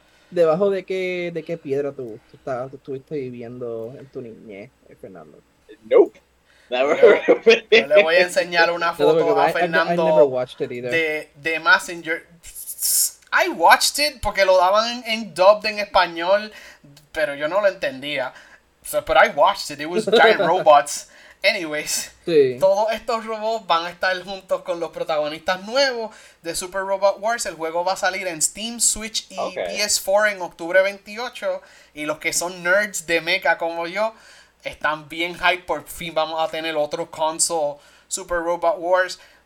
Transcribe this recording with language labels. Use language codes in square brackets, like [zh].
[es] ¿Debajo de qué piedra tú estuviste viviendo en tu niñez, Fernando? [en] Nope. [es] Yo le voy a enseñar una foto a Fernando de Mazinger. [en] I watched it [es] porque lo daban en dubbed en español, pero yo no lo entendía. [en] So, but I watched it. It was giant robots. Anyways, [es] sí. Todos estos robots van a estar juntos con los protagonistas nuevos de Super Robot Wars. El juego va a salir en Steam, Switch y PS4 en octubre 28. Y los que son nerds de mecha como yo están bien hype. Por fin vamos a tener otro console Super Robot Wars.